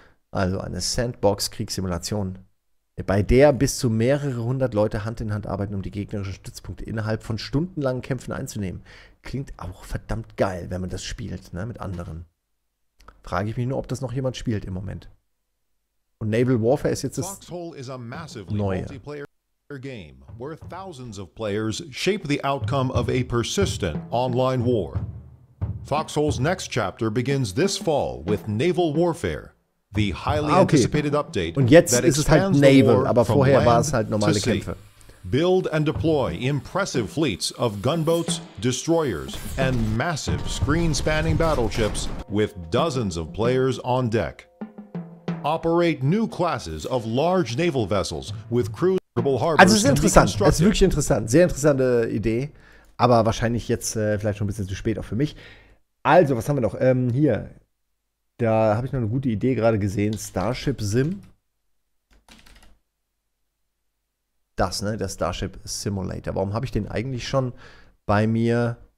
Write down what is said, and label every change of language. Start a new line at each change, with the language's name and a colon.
German: Also eine Sandbox-Kriegssimulation, bei der bis zu mehrere hundert Leute Hand in Hand arbeiten, um die gegnerischen Stützpunkte innerhalb von stundenlangen Kämpfen einzunehmen. Klingt auch verdammt geil, wenn man das spielt, ne, mit anderen. Frage ich mich nur, ob das noch jemand spielt im Moment. Und Naval Warfare ist jetzt das neue.
English: Game, where thousands of players shape the outcome of a persistent online war. Foxhole's next chapter begins this fall with Naval Warfare, the highly anticipated update.
German: Und jetzt ist es halt Naval, aber vorher war es halt normale Kämpfe.
English: build and deploy impressive fleets of gunboats, destroyers, and massive screen-spanning battleships with dozens of players on deck. Operate new classes of large naval vessels with crews capable harbors.
German: Also es ist interessant, es ist wirklich interessant, sehr interessante Idee, aber wahrscheinlich jetzt vielleicht schon ein bisschen zu spät auch für mich. Also, was haben wir noch? Hier, da habe ich noch eine gute Idee gerade gesehen, Starship Sim. Das, ne, der Starship Simulator. Warum habe ich den eigentlich schon bei mir?